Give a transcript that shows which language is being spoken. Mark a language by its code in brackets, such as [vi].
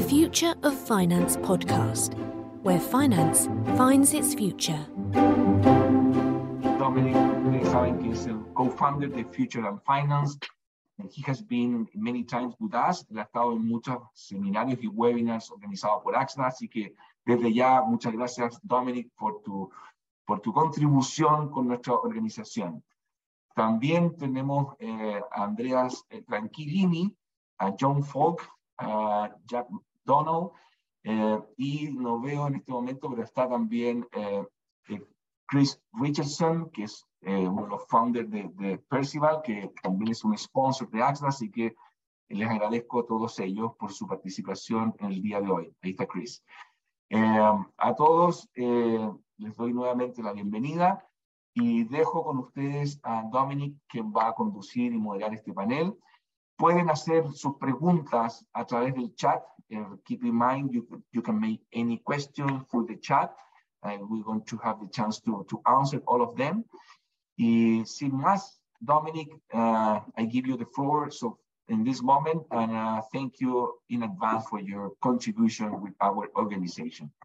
[en] Future of Finance podcast, where finance finds its future. Dominic Lezavent is a co-founder of the Future of Finance, and he has been many times with us. [es] Él ha estado en muchos seminarios y webinars organizados por AXA, así que desde ya, muchas gracias, Dominic, por tu contribución con nuestra organización. También tenemos a Andreas Tranquillini, a John Falk, Jack Donald, y no veo en este momento, pero está también Chris Richardson, que es uno de los founders de Percival, que también es un sponsor de AXA, así que les agradezco a todos ellos por su participación en el día de hoy. Ahí está Chris. A todos les doy nuevamente la bienvenida y dejo con ustedes a Dominic, quien va a conducir y moderar este panel. Pueden hacer sus preguntas a través del chat. [en] Keep in mind, you can make any question through the chat. We're going to have the chance to answer all of them. [es] Y sin más, Dominic, [en] I give you the floor so in this moment, and thank you in advance for your contribution with our organization.